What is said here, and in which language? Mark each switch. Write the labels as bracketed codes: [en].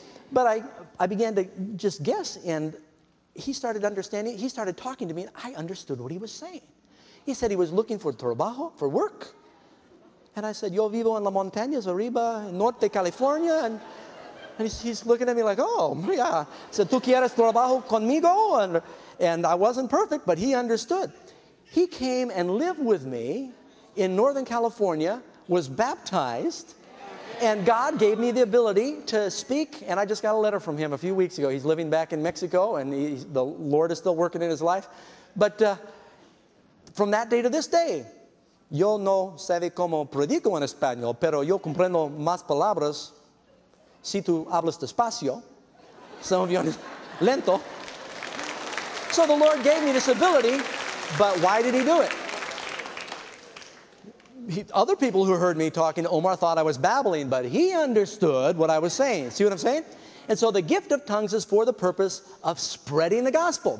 [en] But I began to just guess, and he started understanding. He started talking to me, and I understood what he was saying. He said he was looking for [es] trabajo, [en] for work. And I said, [es] yo vivo en la montaña, arriba, en Norte, California. [en] And he's looking at me like, oh, yeah. I said, [es] tú quieres trabajo conmigo? [en] And I wasn't perfect, but he understood. He came and lived with me in Northern California, was baptized, and God gave me the ability to speak, and I just got a letter from him a few weeks ago. He's living back in Mexico, and the Lord is still working in his life. But from that day to this day, [es] yo no sabe cómo predico en español, pero yo comprendo más palabras si tú hablas despacio. [en] Some of you are [es] lento. [en] So the Lord gave me this ability, but why did he do it? Other people who heard me talking to Omar thought I was babbling, but he understood what I was saying. See what I'm saying? And so the gift of tongues is for the purpose of spreading the gospel.